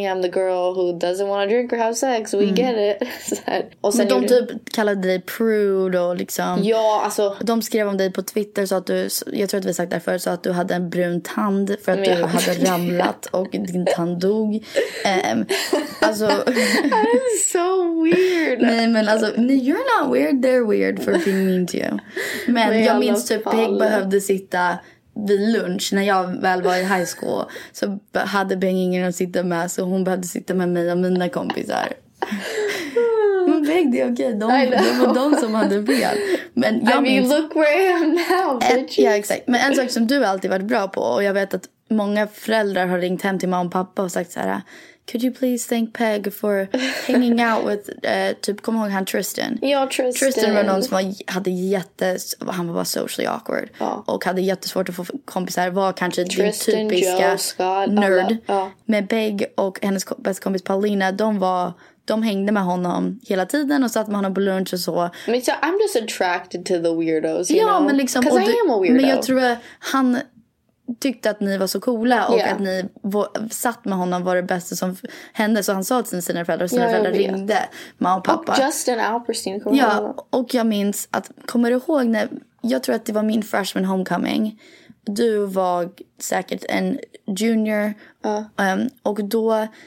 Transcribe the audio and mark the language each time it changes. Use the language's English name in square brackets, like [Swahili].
[English] I'm the girl who doesn't want to drink or have sex. We get it. [Swedish] Och sen, men de typ kallade dig prude och liksom... Ja, alltså... De skrev om dig på Twitter så att du... Jag tror att vi sagt därför, så att du hade en brun tand. För att du hade ramlat och din tand dog. Alltså... [English] That is so weird. [Swedish] Nej, men alltså... [English] You're not weird, they're weird for being mean to you. [Swedish] Men jag minns typ... Jag behövde sitta vid lunch när jag väl var i high school. Så hade Peg ingen att sitta med, så hon behövde sitta med mig och mina kompisar. Men Peg, det är okej. Det var de som hade fel. Men jag [English] I mean, look where I am now, bitch. [Swedish] Ja, exakt. Men en sak som du alltid varit bra på, och jag vet att många föräldrar har ringt hem till mamma och pappa och sagt så här: [English] could you please thank Peg for hanging out with, [Swedish] typ, kom ihåg han Tristan? Ja, Tristan. Tristan var någon som hade jättesvårt, han var bara [English] socially awkward. [Swedish] Ja. Och hade jättesvårt att få kompisar, var kanske Tristan, din typiska Joe, Scott, nerd. Ja. Men Peg och hennes bästa kompis Paulina, de var... De hängde med honom hela tiden och satt med honom på lunch och så. Men så, [English] I'm just attracted to the weirdos, you know? [Swedish] Ja, men liksom... [English] Because I am a weirdo. [Swedish] Men jag tror att han tyckte att ni var så coola och att ni satt med honom var det bästa som hände. Så han sa till sina föräldrar och sina föräldrar ringde mamma och pappa. Och Justin Alperstein. Ja, och jag minns att... Kommer du ihåg när... Jag tror att det var min freshman homecoming. Du var säkert en junior. Och då...